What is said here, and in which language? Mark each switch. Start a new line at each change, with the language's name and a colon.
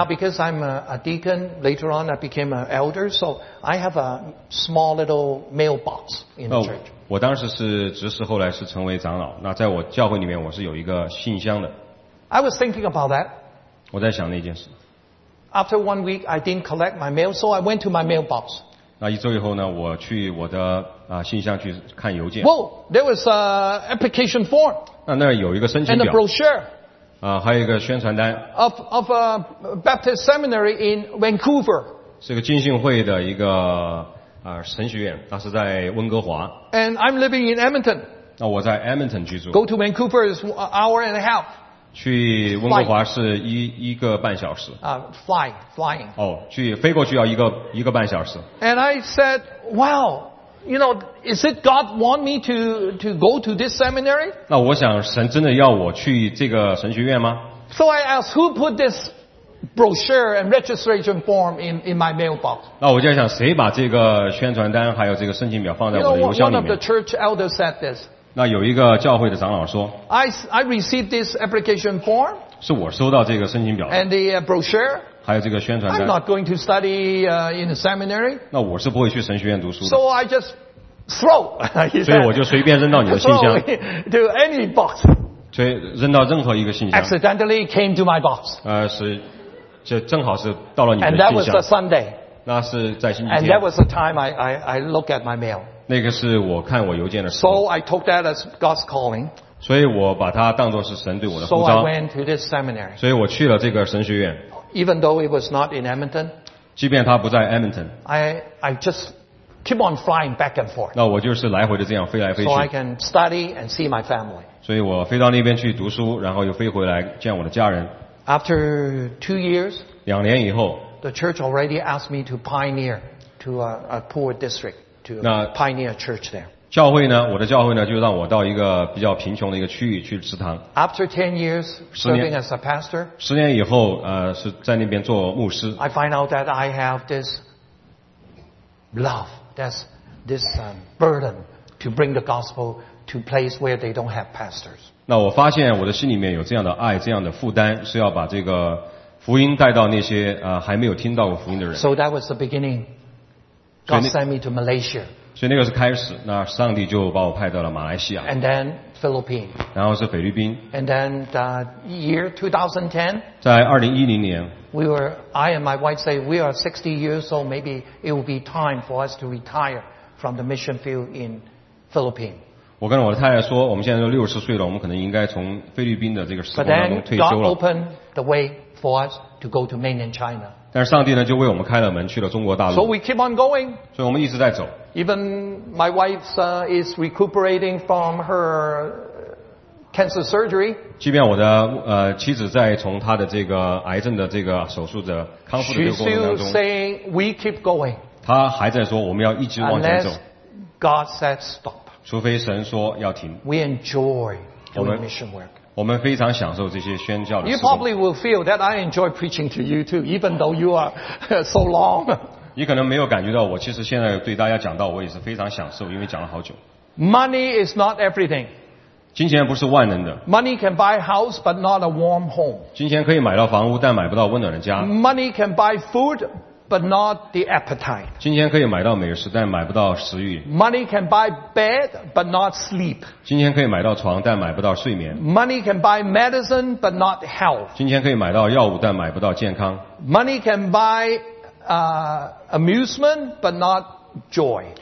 English: ？Now because I'm a deacon, later on I became an elder, so I have a small little mailbox in the church.
Chinese: 我当时是执事，后来是成为长老。那在我教会里面，我是有一个信箱的。
English: I was thinking about that.
Chinese: 我在想那件事。
English: After 1 week, I didn't collect my mail, so I went to my mailbox.
Chinese: 那一周以后呢，我去我的信箱去看邮件。
English: Whoa, there was an application form.
Chinese: 那有一个申请表。
English: And a brochure.
Chinese: 还有一个宣传单。
English: Of a Baptist seminary in Vancouver.
Chinese: 是个浸信会的一个神学院，那是在温哥华。
English: And I'm living in Edmonton.
Chinese: 那我在 Edmonton 居住。
English: Go to Vancouver is an hour and a half.
Chinese: 去温哥华是一个半小时。
English: Flying.
Chinese: 哦、oh, ，去飞过去要一个半小时。
English: And I said, "Wow, you know, is it God want me to go to this seminary?"
Chinese: 那我想，神真的要我去这个神学院吗
English: ？So I asked, "Who put this brochure and registration form in my mailbox?"
Chinese: 那我就想，谁把这个宣传单还有这个申请表放在我的邮箱里面
English: ？One of the church elders said this.
Chinese: 那有一个教会的长老说
English: ，I received this application form，
Chinese: 是我收到这个申请表
English: ，and the brochure，
Chinese: 还有这个宣传单。
English: I'm not going to study in a seminary。
Chinese: 那我是不会去神学院读书的。
English: So I just throw，
Chinese: 所以我就随便扔到你的信箱
English: ，to any box，
Chinese: 所以扔到任何一个信箱。
English: Accidentally came to my box。
Chinese: 是，这正好是到了你的信箱。
English: And that was a Sunday。
Chinese: 那是在星期天。
English: And that was the time I look at my mail。
Chinese: 那个是我看我邮件的时候。
English: So I took that as God's calling.
Chinese: 所以我把它当作是神对我的呼召。
English: So I went to this seminary.
Chinese: 所以我去了这个神学院。
English: Even though it was not in Edmonton.
Chinese: 即便它不在 Edmonton.
English: I just keep on flying back and forth.
Chinese: 那我就是来回的这样飞来飞去。
English: So I can study and see my family.
Chinese: 所以我飞到那边去读书，然后又飞回来见我的家人。
English: After 2 years.
Chinese: 两年以后。
English: The church already asked me to pioneer to a poor district. To pioneer church there.
Chinese: 教会呢？我的教会呢？就让我到一个比较贫穷的一个区域去祠堂。
English: After 10 years serving as a pastor,
Chinese: 十年以后，是在那边做牧师。
English: I find out that I have this love, that's this burden to bring the gospel to place where they don't have pastors.
Chinese: 那我发现我的心里面有这样的爱，这样的负担，是要把这个福音带到那些还没有听到过福音的人。
English: So that was the beginning. God sent me to Malaysia.
Chinese: 所以那个是开始，那上帝就把我派到了马来西亚。
English: And then Philippines.
Chinese: 然后是菲律宾。
English: And then the year 2010.
Chinese: 在2010年。
English: I and my wife say we are 60 years old. Maybe it will be time for us to retire from the mission field in Philippines.
Chinese: 我跟我的太太说，我们现在都60岁了，我们可能应该从菲律宾的这个事工当中退休了。
English: But then God opened the way for us to go to mainland China.
Chinese: 但是上帝呢，就为我们开了门，去了中国大陆。
English: So we keep on going.
Chinese: 所以我们一直在走。
English: Even my wife is recuperating from her cancer surgery.
Chinese: 即便我的妻子在从她的这个癌症的这个手术的康复的这个过程当中。
English: She's still saying we keep going.
Chinese: 她还在说我们要一直往前走。
English: Unless God says stop.
Chinese: 除非神说要停。
English: We enjoy doing mission work.
Chinese: 我们非常享受这些宣教的。
English: You probably will feel that I enjoy preaching to you too, even though you are so long.
Chinese: 你可能没有感觉到我其实现在对大家讲道，我也是非常享受，因为讲了好久。
English: Money is not everything.
Chinese: 金钱不是万能的。
English: Money can buy house, but not a warm home.
Chinese: 金钱可以买到房屋，但买不到温暖的家。
English: Money can buy food, but not the appetite.
Chinese: 金钱可以买到美食，但买不到食欲。
English: Money can buy bed, but not sleep.
Chinese: 金钱可以买到床，但买不到睡眠。
English: Money can buy medicine, but not health.
Chinese: 金钱可以买到药物，但买不到健康。
English: Money can buy amusement, but not joy.